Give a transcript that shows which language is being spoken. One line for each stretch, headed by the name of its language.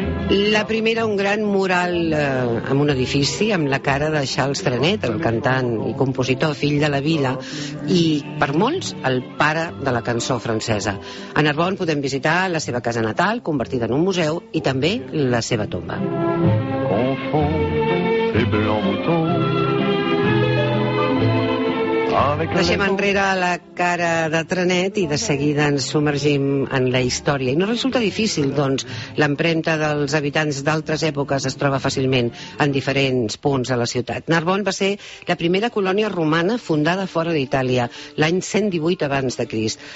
Catalan: La primera, un gran mural amb un edifici, amb la cara de Charles Trenet, el cantant i compositor, fill de la vila, i per molts, el pare de la cançó francesa. A Narbonne podem visitar la seva casa natal, convertida en un museu, i també la seva tomba.
French: Confond ces blancs moutons.
Catalan: Deixem enrere la cara de Trenet i de seguida ens submergim en la història. I no resulta difícil, doncs, l'empremta dels habitants d'altres èpoques es troba fàcilment en diferents punts de la ciutat. Narbonne va ser la primera colònia romana fundada fora d'Itàlia l'any 118 abans de Crist.